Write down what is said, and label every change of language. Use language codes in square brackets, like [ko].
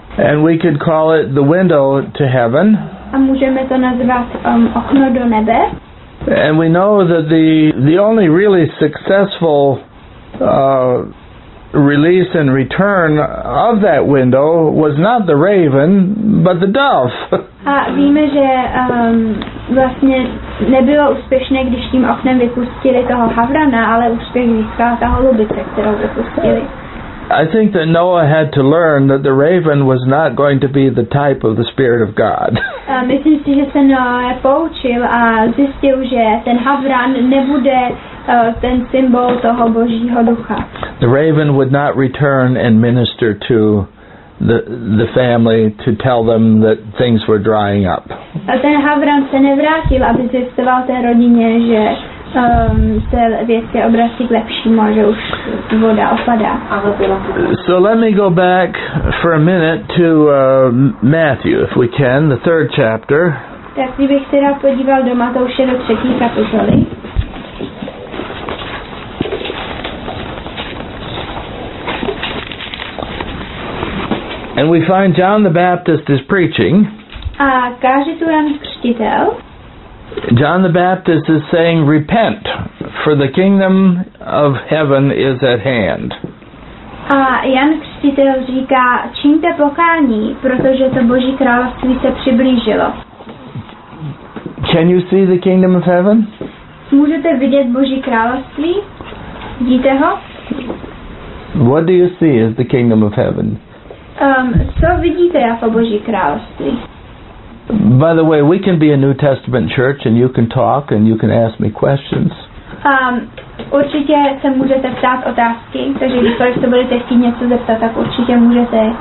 [en] And we could call it the window to heaven. [cs] A můžeme to nazvat okno do nebe. [en] And we know that the only really successful release and return of that window was not the raven, but the dove. [cs] A víme, že vlastně nebylo úspěšné, když tím oknem vypustili toho havrana, ale úspěch získala ta holubice, kterou vypustili. [en] I think that Noah had to learn that the raven was not going to be the type of the Spirit of God. [cs] Myslím si, že se Noé poučil a zjistil, že ten havran nebude ten symbol toho Božího ducha. [en] The raven would not return and minister to the family to tell them that things were drying up. [cs] A ten havran se nevrátil, aby zjistoval té rodině, že se věci obrací k lepšímu, že už voda opadá. [en] So let me go back for a minute to Matthew, if we can, the third chapter. [cs] Tak kdybych se rád podíval do Matouše do třetí kapitoly. [en] And we find John the Baptist is preaching. [cs] A káže tu Jan Křtitel. [en] John the Baptist is saying, repent, for the kingdom of heaven is at hand. [cs] A Jan Křtitel říká, čiňte pokání, protože to Boží království se přiblížilo. [en] Can you see the kingdom of heaven? [cs] Můžete vidět Boží království? Vidíte ho? [en] What do you see as the kingdom of heaven? [cs] Co vidíte jako Boží království? [en] By the way, we can be a New Testament church and you can talk and you can ask me questions. [cs] Určitě se můžete ptát otázky, takže když se budete chtít něco zeptat, tak určitě můžete.